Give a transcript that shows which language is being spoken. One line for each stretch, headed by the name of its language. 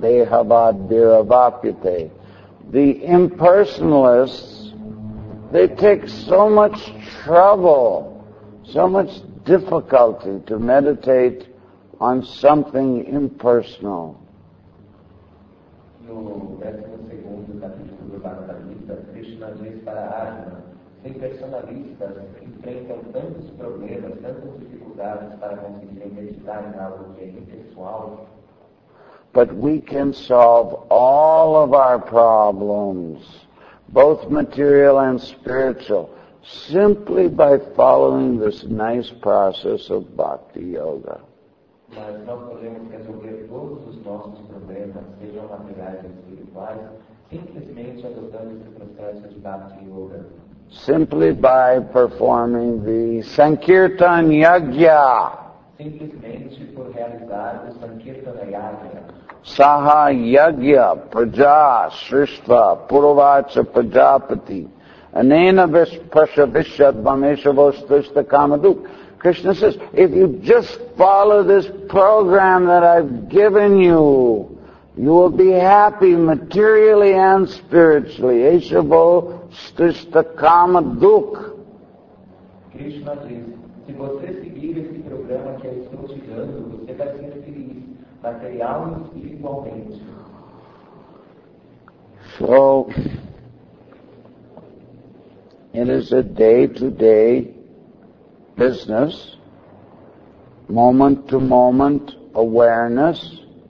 English: The impersonalists, they take so much trouble, so much difficulty to meditate on something impersonal.
Portuguese: No 12º capítulo do Bhagavad Gita, Krishna diz para Arjuna, sem personalistas enfrentam tantos problemas, tantas dificuldades para conseguir meditar em algo que é impessoal.
English: But we can solve all of our problems, both material and spiritual, simply by following this nice process of bhakti yoga.
Portuguese: Mas nós podemos resolver todos os nossos problemas, sejam materiais ou espirituais, simplesmente adotando esse processo de bhakti yoga.
English: Simply by performing the Sankirtan Yajna.
Portuguese: Simplesmente por realizar o Sankirtan Yajna.
Sanskrit: Saha Yajna Praja Srishtva Purovacha Prajapati Anena Vishprasha Vishad Vamesha Vostrishta Kamaduk.
English: Krishna says, if you just follow this program that I've given you, you will be happy materially and spiritually.
Sanskrit: Eshavo Srishta Kamaduk.
Portuguese: Krishna diz, se você seguir esse programa que eu estou te dando, você vai ser feliz, material e espiritualmente.
English: So, it is a day-to-day business, moment-to-moment awareness.